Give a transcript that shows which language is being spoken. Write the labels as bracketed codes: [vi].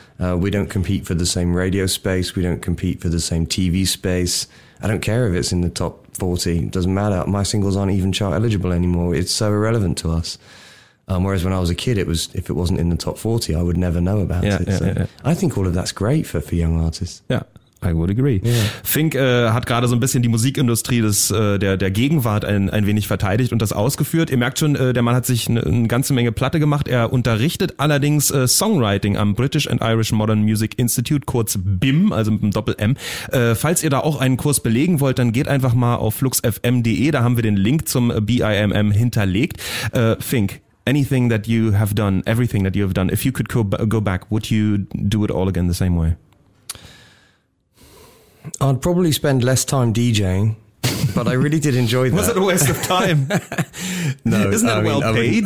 [en] We don't compete for the same radio space. We don't compete for the same TV space. I don't care if it's in the top 40. It doesn't matter. My singles aren't even chart eligible anymore. It's so irrelevant to us. Whereas when I was a kid, it was, if it wasn't in the top 40, I would never know about it. So I think all of that's great for young artists. Yeah, I would agree. Yeah. [de] Fink hat gerade so ein bisschen die Musikindustrie der Gegenwart ein wenig verteidigt und das ausgeführt. Ihr merkt schon, der Mann hat sich eine ganze Menge Platte gemacht. Er unterrichtet allerdings Songwriting am British and Irish Modern Music Institute, kurz BIM, also mit einem Doppel-M. Falls ihr da auch einen Kurs belegen wollt, dann geht einfach mal auf fluxfm.de. Da haben wir den Link zum BIMM hinterlegt. Fink. [en] Anything that you have done, everything that you have done, if you could go back, would you do it all again the same way? I'd probably spend less time DJing, but I really did enjoy that. Was it a waste of time? No. Isn't that well paid?